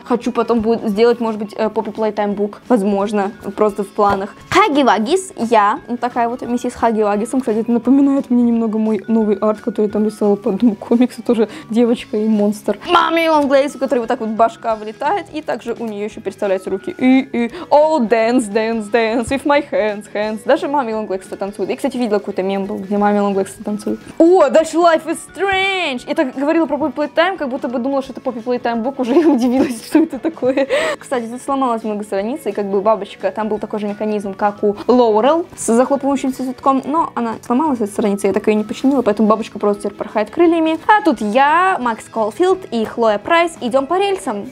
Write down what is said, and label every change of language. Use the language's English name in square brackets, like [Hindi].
[Russian] Хочу потом будет сделать, может быть, Poppy Playtime Book. Возможно, просто в планах. Хаги Вагис, я. Такая вот миссис Хаги Вагисом. Кстати, это напоминает мне немного мой новый арт, который я там рисовала по одному комиксу, тоже девочка и монстр. Мами Лонглейс, у которой вот так вот башка вылетает, и также у нее еще переставляются руки. [English] И all dance, dance, dance with my hands, hands. [Russian] Даже Мами Лонглейс танцует. И, кстати, видела какой-то мем был, где Мами Лонглейс танцует. О, дальше Life is Strange. Я так говорила про Poppy Playtime, как будто бы думала, что это Poppy Playtime Book, уже удивилась, что это такое. Кстати, тут сломалось много страниц, и как бы бабочка, там был такой же механизм, как у Лоурел с захлопывающимся цветком, но она сломалась, эта страница, я так ее не починила, поэтому бабочка просто теперь порхает крыльями. А тут я, Макс Колфилд и Хлоя Прайс. Идем по рельсам.